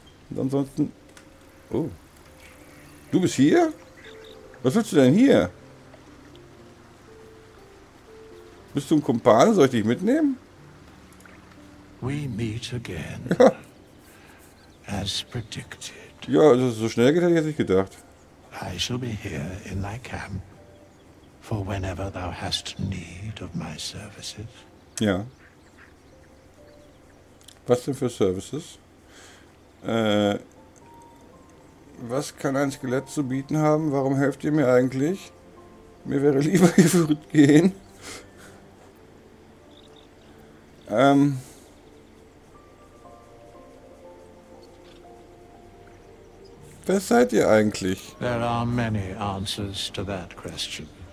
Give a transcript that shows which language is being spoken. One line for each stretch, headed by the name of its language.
German: Und ansonsten... Oh. Du bist hier? Was willst du denn hier? Bist du ein Kumpane? Soll ich dich mitnehmen?
English: We meet again.
German: Ja.
English: As predicted.
German: Ja, also so schnell geht, hätte ich jetzt nicht gedacht.
English: I shall be here in thy camp. For whenever thou hast need of my services.
German: Ja. Was denn für Services? Was kann ein Skelett zu bieten haben? Warum helft ihr mir eigentlich? Mir wäre lieber, ihr würdet gehen. Wer seid ihr eigentlich?
English: There are many answers to that question.